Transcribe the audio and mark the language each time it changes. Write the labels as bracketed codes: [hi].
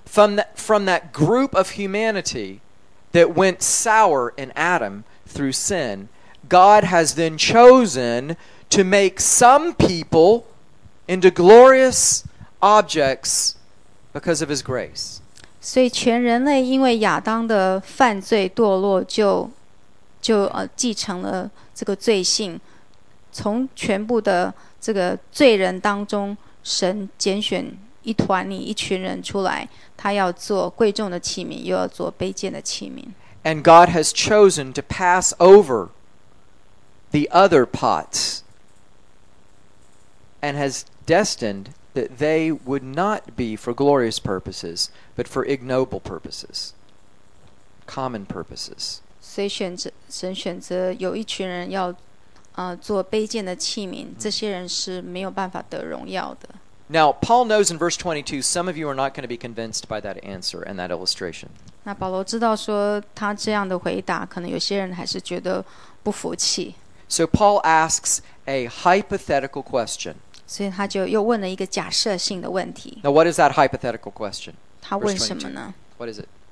[en] From that group of humanity that went sour in Adam through sin, God has then chosen to make some people into glorious objects because of his grace. [zh] 所以全人类因为亚当的犯罪堕落就继承了这个罪性，从全部的这个罪人当中，神拣选一团里一群人出来，他要做贵重的器皿，又要做卑贱的器皿。 [en] And God has chosen to pass over the other pots, and has destined that they would not be for glorious purposes, but for ignoble purposes, common purposes. [zh] 所以选择神选择有一群人要做卑贱的器皿，这些人是没有办法得荣耀的。 [en] Now, Paul knows in verse 22, some of you are not going to be convinced by that answer and that illustration. [zh] 那保罗知道说他这样的回答，可能有些人还是觉得不服气。 [en] So Paul asks a hypothetical question. [zh] 所以他就又问了一个假设性的问题。 [en] Now, what is that hypothetical question? [zh] 他问什么呢？ [en] What is it?